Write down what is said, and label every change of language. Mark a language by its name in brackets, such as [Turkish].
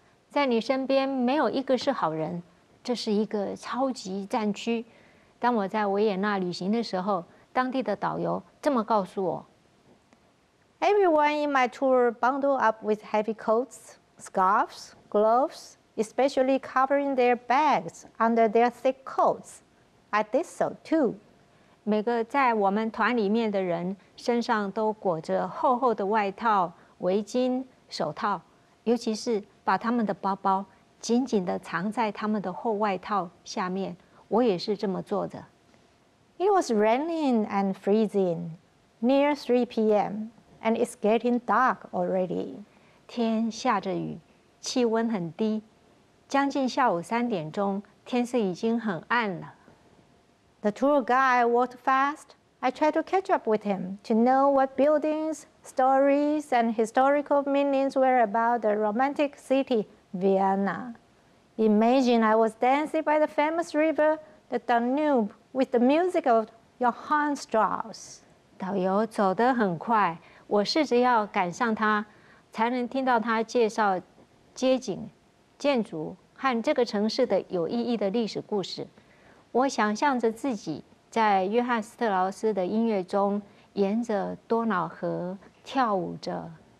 [Chinese] 在你身边没有一个是好人，这是一个超级战区。当我在维也纳旅行的时候，当地的导游这么告诉我。 [English] Everyone in my tour bundled up with heavy coats, scarves, gloves, especially covering their bags under their thick coats. I did so too. [Chinese] 每个在我们团里面的人身上都裹着厚厚的外套、围巾、手套，尤其是把他们的包包紧紧地藏在他们的厚外套下面，我也是这么做的。 [English] It was raining and freezing near 3 p.m. and it's getting dark already. [Chinese] 天下着雨，气温很低，将近下午三点钟，天色已经很暗了。 [English] The tour guide walked fast. I tried to catch up with him to know what buildings, stories, and historical meanings were about the romantic city, Vienna. Imagine I was dancing by the famous river, the Danube, with the music of Johann Strauss. [Chinese] 导游走得很快，我试着要赶上他，才能听到他介绍街景、建筑和这个城市的有意义的历史故事。我想象着自己在约翰·斯特劳斯的音乐中，沿着多瑙河跳舞着。